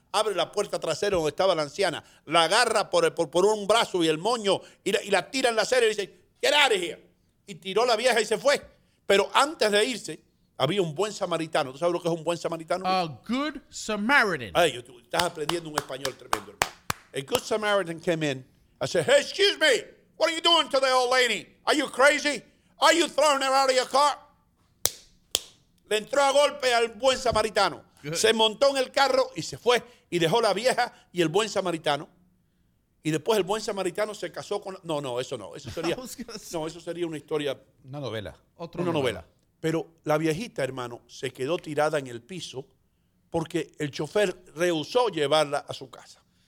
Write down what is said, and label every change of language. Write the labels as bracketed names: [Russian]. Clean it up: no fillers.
[Spanish] Abre la puerta trasera donde estaba la anciana, la agarra por un brazo y el moño y la tira en la acera y dice, [English] get out of here. [Spanish] Y tiró la vieja y se fue. Pero antes de irse, había un buen samaritano. ¿Tú sabes lo que es un buen samaritano? [English] A good Samaritan. [Spanish] Ay, tú estás aprendiendo un español tremendo, hermano. [English] A good Samaritan came in. I said, hey, excuse me. What are you doing to the old lady? Are you crazy? Are you throwing her out of your car? [Spanish] Le entró a golpe al buen samaritano. [English] Good. [Spanish] Se montó en el carro y se fue y dejó la vieja y el buen samaritano. Y después el buen samaritano se casó con... Eso sería una historia... Una novela. Una novela. Pero la viejita, hermano, se quedó tirada en el piso porque el chofer rehusó llevarla a su casa.